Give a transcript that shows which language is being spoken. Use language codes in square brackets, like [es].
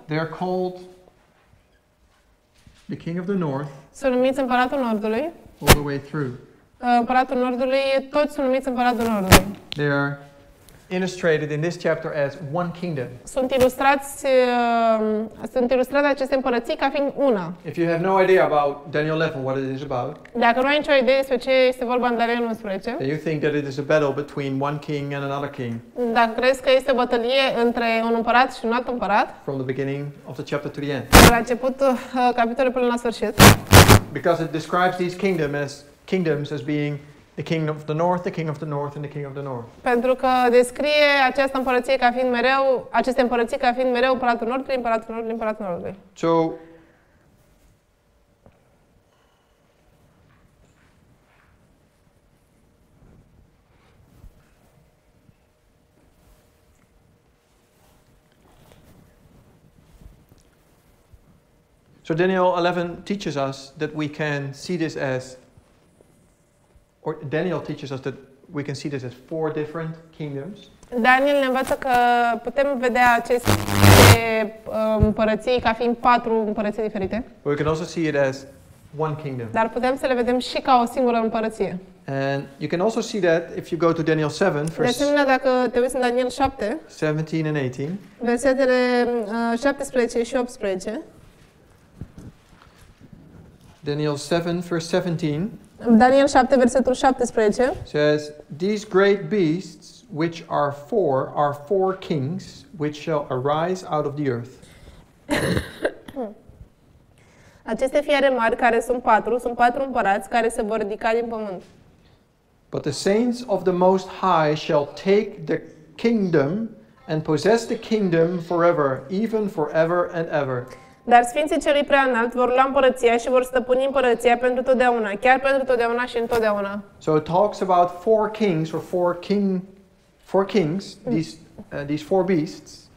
[en] they are called the King of the North. [ro] Sunt numiți împăratul Nordului. [en] All the way through. [ro] Împăratul Nordului, toți sunt numiți împăratul Nordului. [en] They are illustrated in this chapter as one kingdom. [ro] Sunt ilustrate aceste împărății ca fiind una. [en] If you have no idea about Daniel 11, what it is about? [ro] Dacă nu ai nicio idee despre ce este vorba în Daniel 11? [en] And you think that it is a battle between one king and another king? [ro] Dacă crezi că este o bătălie între un împărat și un alt împărat? [en] From the beginning of the chapter to the end. [ro] La început capitolul până la sfârșit. [en] Because it describes these kingdoms as being the king of the north, the king of the north, and the king of the north. [ro] Pentru că descrie această împărăție ca fiind mereu, aceste împărății ca fiind mereu împăratul nordului, împăratul nordului, împăratul nordului. [en] So, Daniel 11 teaches us that we can see this as or Daniel teaches us that we can see this as four different kingdoms. [ro] Daniel ne învață că putem vedea aceste împărății ca fiind patru împărății diferite. [en] We can also see it as one kingdom. [ro] Dar putem să le vedem și ca o singură împărăție. [en] And you can also see that if you go to Daniel 7, verse 17 and 18. [ro] Versetele 17 și 18. [en] Daniel 7, verse 17. [ro] Daniel 7, versetul 17. [en] Says, these great beasts, which are four, are four kings, which shall arise out of the earth. [ro] Aceste fiare mari, care sunt patru împărați, care se vor ridica din pământ. [en] But the saints of the Most High shall take the kingdom and possess the kingdom forever, even forever and ever. [ro] Dar sfinții celui preanalt vor lua împărăția și vor stăpâni împărăția pentru totdeauna, chiar pentru totdeauna și întotdeauna. [en] So it talks about four kings or four kings, these four beasts.